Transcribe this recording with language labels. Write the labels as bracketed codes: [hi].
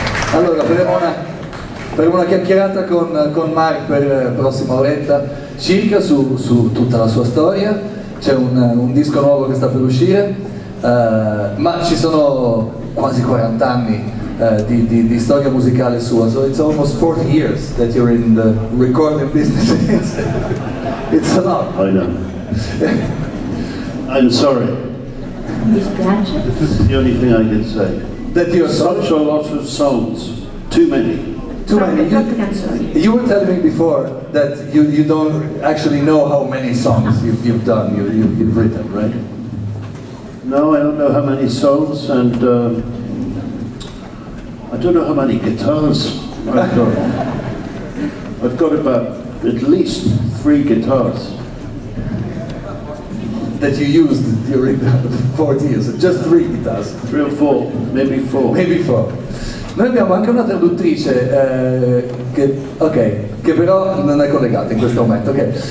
[it] Allora, faremo una chiacchierata con Mark per la prossima oretta circa su tutta la sua storia. C'è un disco nuovo che sta per uscire, ma ci sono quasi 40 anni di storia musicale sua. [en] So it's almost 40 years that you're in the recording business. It's a lot. I know. I'm sorry. This is the only thing I can say. That you're sorry? Such a lot of songs. Too many. Too many. You were telling me before that you don't actually know how many songs you've done, you've written, right? No, I don't know how many songs, and I don't know how many guitars I've got. I've got about at least 3 guitars. That you used during the 40 years, just 3 guitars. 3 or 4, maybe 4. Maybe 4. [it] Noi abbiamo anche una traduttrice, che però non è collegata in questo momento, ok?